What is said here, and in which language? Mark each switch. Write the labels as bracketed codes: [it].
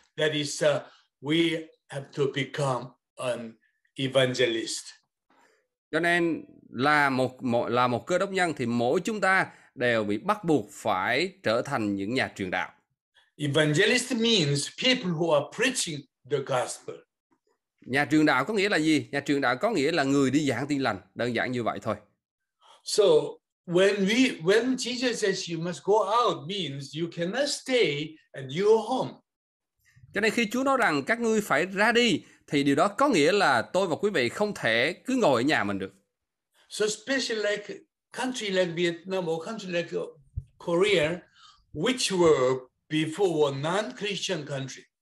[en] That is, we have to become an evangelist. [vi] Cho nên là một cơ đốc nhân thì mỗi chúng ta đều bị bắt buộc phải trở thành những nhà truyền đạo. [en] Evangelist means people who are preaching the gospel. [vi] Nhà truyền đạo có nghĩa là gì? Nhà truyền đạo có nghĩa là người đi giảng tin lành, đơn giản như vậy thôi. [en] So when Jesus says you must go out means you cannot stay at your home. [vi] Cho nên khi Chúa nói rằng các ngươi phải ra đi, thì điều đó có nghĩa là tôi và quý vị không thể cứ ngồi ở nhà mình được. [en] So especially like country like Vietnam or country like Korea, which were before were non-Christian country.